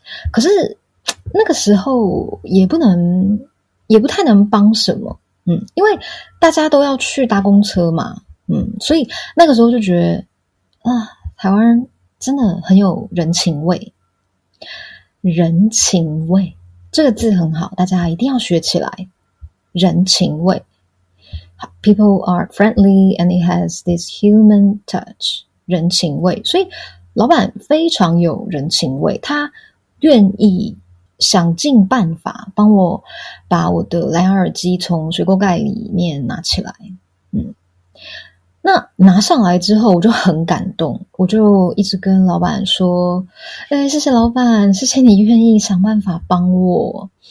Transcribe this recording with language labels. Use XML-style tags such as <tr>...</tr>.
<zh>可是那个时候也不能，也不太能帮什么，因为大家都要去搭公车嘛，所以那个时候就觉得啊，台湾人真的很有人情味。人情味这个字很好，大家一定要学起来。</zh> <en>人情味 ，People are friendly and it has this human touch。</en> <zh>人情味，所以老板非常有人情味，他愿意想尽办法帮我把我的蓝牙耳机从水沟盖里面拿起来。那拿上来之后我就很感动，我就一直跟老板说，哎，谢谢老板，谢谢你愿意想办法帮我。</zh>